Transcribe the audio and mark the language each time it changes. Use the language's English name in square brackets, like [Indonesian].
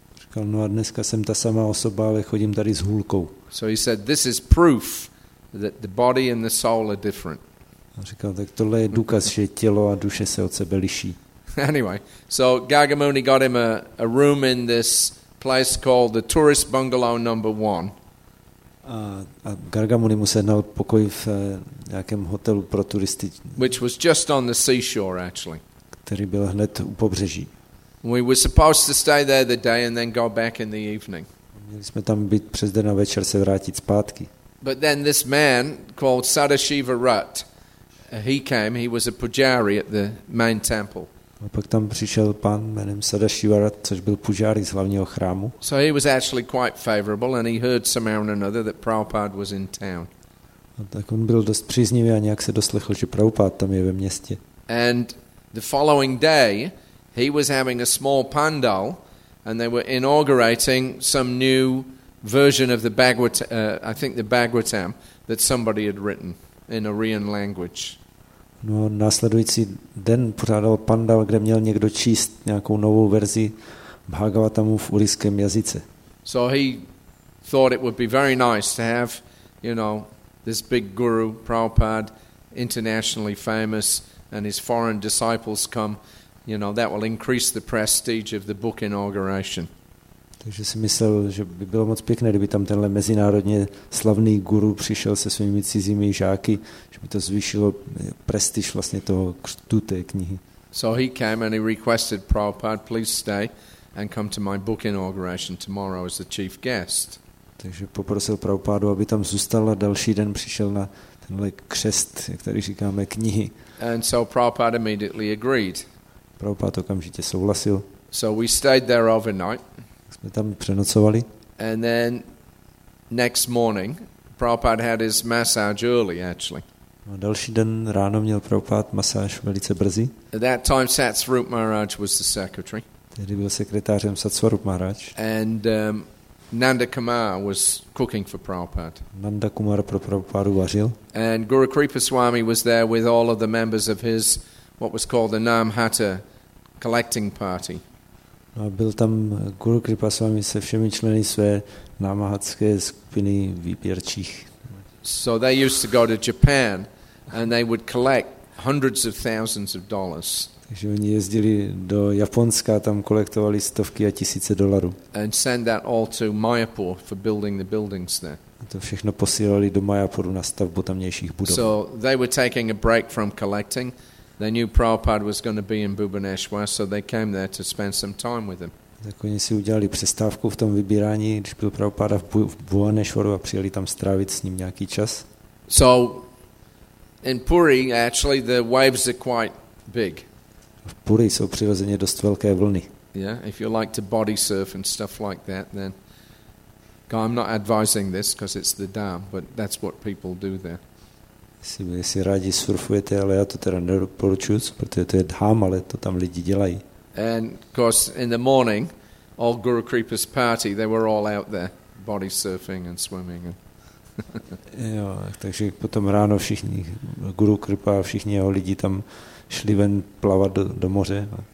[Czech] Říkal, no a dneska jsem ta sama osoba, ale chodím tady s hůlkou. [English] So he said this is proof that the body and the soul are different. [Czech] A říkal, tak tohle je důkaz, že tělo a duše se od sebe liší. [English] Anyway, so Gagamuni got him a room in this place called the tourist bungalow number 1. [Czech] A Gargamuni mu sehnal pokoj v nějakém hotelu pro turisty. [English] Which was just on the seashore actually. [Czech] Který byl hned u pobřeží. [English] We were supposed to stay there the day and then go back in the evening. [Czech] Měli jsme tam být přes den a večer se vrátit zpátky. [English] But then this man called Sadashiva Rut, he came, he was a pujari at the main temple. [Czech] A pak tam přišel pán jménem Sadashiva Rat, což byl pujari z hlavního chrámu. [English] So he was actually quite favorable and he heard somehow or another that Prabhupada was in town. [Czech] A tak on byl dost příznivý a nějak se doslechl, že Prabhupada tam je ve městě. [English] And the following day he was having a small pandal and they were inaugurating some new version of the Bhagavatam that somebody had written in Aryan language. [Czech] No, následující den pořádal pandal, kde měl někdo číst nějakou novou verzi Bhagavatamu v urijském jazyce. [English] So he thought it would be very nice to have, you know, this big guru Prabhupada, internationally famous, and his foreign disciples come you know, that will increase the prestige of the book inauguration. [Czech] Takže si myslel, že by bylo moc pěkné, kdyby tam tenhle mezinárodně slavný guru přišel se svými cizími žáky, že by to zvýšilo prestiž vlastně toho křtu té knihy. [English] So he came and he requested Prabhupada, please stay and come to my book inauguration tomorrow as the chief guest. [Czech] Takže poprosil Prabhupádu, aby tam zůstal a další den přišel na tenhle křest, jak tady říkáme, knihy. [English] And so Prabhupada immediately agreed. [Czech] Prabhupád okamžitě souhlasil. [English] So we stayed there overnight. [Czech] Jsme tam přenocovali. [English] And then next morning Prabhupada had his massage early actually. [Czech] A další den ráno měl Prabhupád masáž velice brzy. [English] At that time Satsvarup Maharaj was the secretary. [Czech] Tehdy byl sekretářem Satsvarup Maharaj. [English] And Nanda Kumar was cooking for Prabhupada. [Czech] Nanda Kumar pro Prabhupádu vařil. [English] And Guru Kripa Swami was there with all of the members of his what was called the Namhata collecting party. [Czech] A byl tam Guru Kripa Swami se všemi členy své námahatské skupiny výběrčích. [English] So they used to go to Japan and they would collect hundreds of thousands of dollars. [Czech] Takže oni jezdili do Japonska, tam kolektovali stovky a tisíce dolarů. [English] And send that all to Mayapur for building the buildings there. [Czech] A to všechno posílali do Mayapuru na stavbu tamnějších budov. [English] So they were taking a break from collecting. They knew Prabhupada was going to be in Bhubaneswar, so they came there to spend some time with him. [Czech] Tak oni si udělali přestávku v tom vybírání, když byl Prabhupada v Bhubaneswaru a přijeli tam strávit s ním nějaký čas. [English] So in Puri actually the waves are quite big. [Czech] V Puri jsou přirozeně dost velké vlny. [English] Yeah, if you like to body surf and stuff like that, then I'm not advising this because it's the dam, but that's what people do there. [Czech] Jestli rádi surfujete, ale já to teda nedoporučuju, protože to je dham, ale to tam lidi dělají. [English] And of course in the morning all Guru Kripa's party they were all out there body surfing and swimming. [Czech] Jo, takže potom ráno všichni Guru Kripa a všichni jeho lidi tam šli ven plavat do moře.